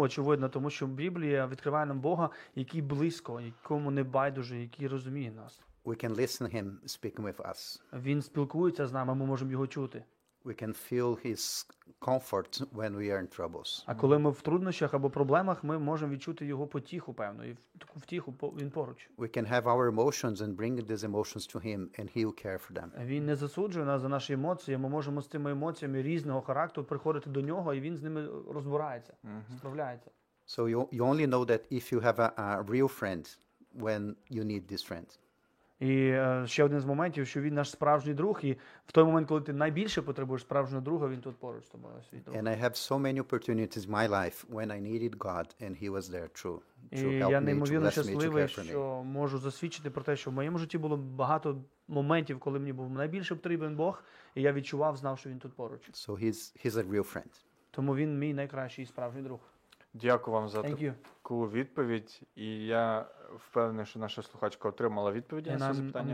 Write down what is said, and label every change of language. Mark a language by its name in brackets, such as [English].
[Ukrainian] Очевидно, тому що Біблія відкриває нам Бога, який близько, якому не байдуже, який розуміє нас. [English] We can listen him speaking with us. [Ukrainian] Він спілкується з нами, ми можемо його чути. [English] We can feel his comfort when we are in troubles. [Ukrainian] А коли ми в труднощах або проблемах, ми можемо відчути його потіху, певно, і таку втіху, він поруч. [English] We can have our emotions and bring these emotions to him and he'll care for them. [Ukrainian] Він не засуджує нас за наші емоції, ми можемо з цими емоціями різного характеру приходити до нього, і він з ними розбирається, справляється. [English] So you only know that if you have a real friend when you need this friend. [Ukrainian] І ще один з моментів, що він наш справжній друг, і в той момент, коли ти найбільше потребуєш справжнього друга, він тут поруч з тобою, свій друг. [English] And I have so many opportunities in my life when I needed God and he was there true. [Ukrainian] І я неймовірно щасливий, що можу засвідчити про те, що в моєму житті було багато моментів, коли мені був найбільше потрібен Бог, і я відчував, знав, що він тут поруч. [English] So he's a real friend. [Ukrainian] Тому він мій найкращий справжній друг. Дякую вам за таку відповідь, і я впевнений, що наша слухачка отримала відповідь на це запитання.